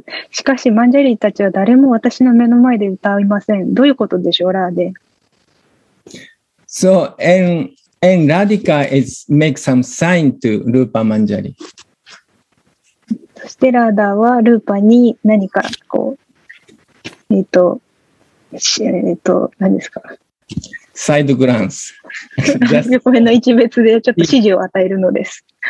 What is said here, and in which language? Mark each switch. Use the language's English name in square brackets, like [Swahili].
[Japanese] しかし、マンジャリたちは誰も私の目の前で歌いません。どういうことでしょう、Rade? [English] So, and Radhika is make some sign to Rupa Manjari. [Japanese] そして、ラーダはルーパに何かこう、何ですか。サイドグランス。横辺の一別でちょっと指示を与えるのです。